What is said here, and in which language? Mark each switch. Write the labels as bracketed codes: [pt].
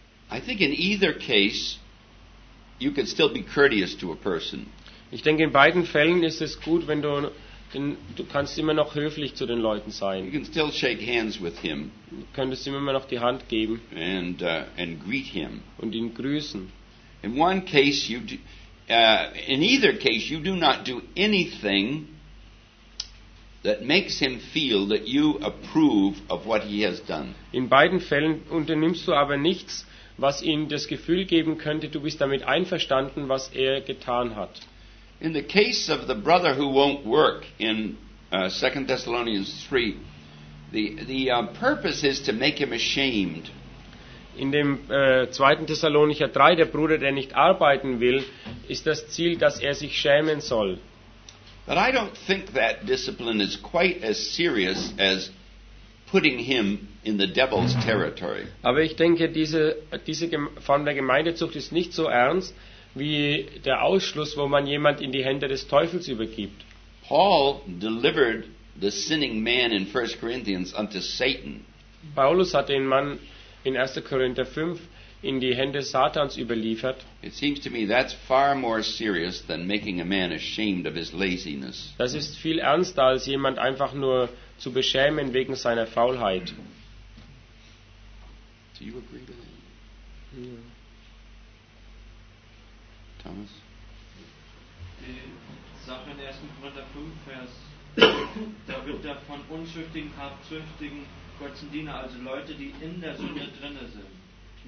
[en] I think in either case you can still be courteous to a person. [de] Ich denke, in beiden Fällen ist es gut, wenn du denn du kannst immer noch höflich zu den Leuten sein. [en] You can still shake hands with him. [de] Du könntest ihm immer noch die Hand geben. [en] And greet him. [de] Und ihn grüßen. [en] In one case you in either case you do not do anything that makes him feel that you approve of what he has done. [de] In beiden Fällen unternimmst du aber nichts, was ihm das Gefühl geben könnte, du bist damit einverstanden, was er getan hat. [en] In the case of the brother who won't work in 2 Thessalonians 3, the purpose is to make him ashamed. [de] In dem 2. Thessalonicher 3, der Bruder, der nicht arbeiten will, ist das Ziel, dass er sich schämen soll. [en] But I don't think that discipline is quite as serious as putting him in the devil's territory. [de] Aber ich denke, diese Form der Gemeindezucht ist nicht so ernst wie der Ausschluss, wo man jemand in die Hände des Teufels übergibt. [en] Paul delivered the sinning man in 1 Corinthians unto Satan. [de] Paulus hat den Mann in 1. Korinther 5 in die Hände Satans überliefert. [en] It seems to me that's far more serious than making a man ashamed of his laziness. [de] Das ist viel ernster als jemand einfach nur zu beschämen wegen seiner Faulheit. [en] Do you agree with that? Yeah. Thomas? [de] Die Sache in 1. Korinther 5, Vers, da wird da von unzüchtigen, habzüchtigen, kurzen Diener, also Leute, die in der Sünde drin sind.